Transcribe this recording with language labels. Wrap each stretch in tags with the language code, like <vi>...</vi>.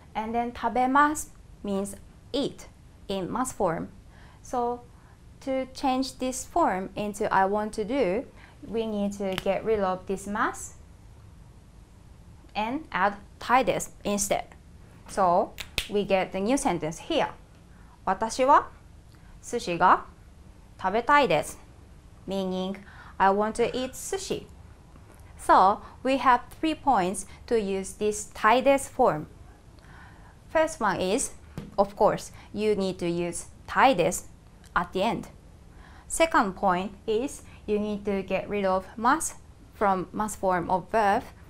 <en>And then 食べます means eat in mass form. So to change this form into I want to do, we need to get rid of this mass and add titles instead. So we get the new sentence here.</en> <ja>私は寿司が食べたいです。</ja> <en>Meaning, I want to eat sushi. So we have 3 points to use this titles form. First one is, of course, you need to use titles at the end. Second point is, you need to get rid of mass from mass form of verb</en>